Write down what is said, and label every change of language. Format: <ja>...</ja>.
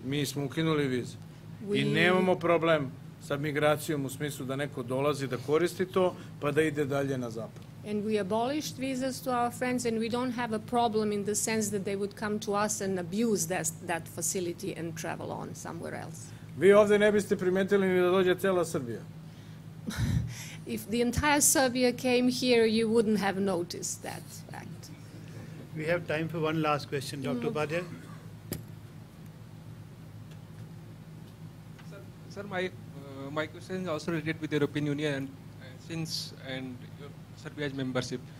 <sr>Mi smo ukinuli vize. I nemamo problem sa migracijom u smislu da neko dolazi da koristi to, pa da ide dalje na zapad.</sr> <en>And we abolished visas to our friends and we don't have a problem in the sense that they would come to us and abuse that facility and travel on somewhere else.</en> <sr>Vi ovde ne biste primetili ni da dođe cela Srbija.</sr> <en>If the entire Serbia came here, you wouldn't have noticed that fact. We have time for one last question, Dr. Badia. Sir, my question is also related with the European Union and your Serbia's membership.</en>